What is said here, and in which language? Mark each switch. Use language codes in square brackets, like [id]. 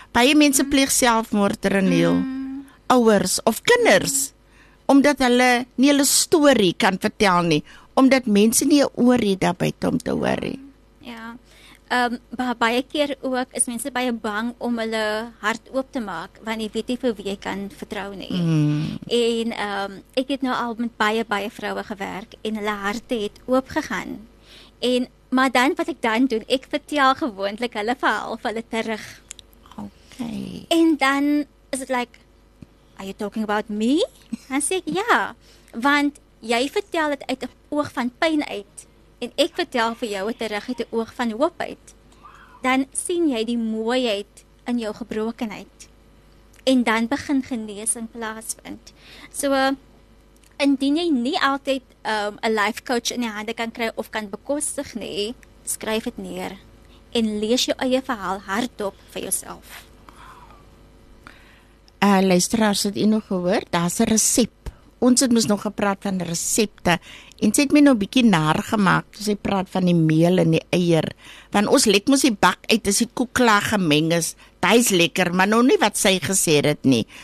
[af] Baie mense pleeg selfmoord, Reniel. Ouers of kinders, omdat hulle nie hulle story kan vertel nie, omdat mense nie oor het daarby om te hoor nie. Ja, baie keer ook is mense baie bang om hulle hart oop te maak, want jy weet nie vir wie jy kan vertrou nie. En ek het nou al met baie, baie vrouwe gewerk en hulle harte het oopgegaan. En, maar dan wat ek dan doen, ek vertel gewoonlik hulle verhaal vir hulle terug. Okay. En dan is het like, [en] are you talking about me? [af] Dan sê ek, ja, want jy vertel het uit 'n oog van pyn uit, en ek vertel vir jou het uit 'n oog van hoop uit, dan sien jy die mooiheid in jou gebrokenheid, en dan begin genesing plaasvind. So, indien jy nie altyd 'n life coach in die hande kan kry, of kan bekostig nie, skryf het neer, en lees jou eie verhaal hardop vir jouself. Luisteraars, het jy nog gehoor, daar is een resep. Ons het mis nog gepraat van resepte, en sy het my nou bykie naargemaak, toe sy praat van die meel en die eier, want ons lek mis die bak uit, as die koek klaar gemeng is, dat is lekker, maar nou nie wat sy gesê het nie.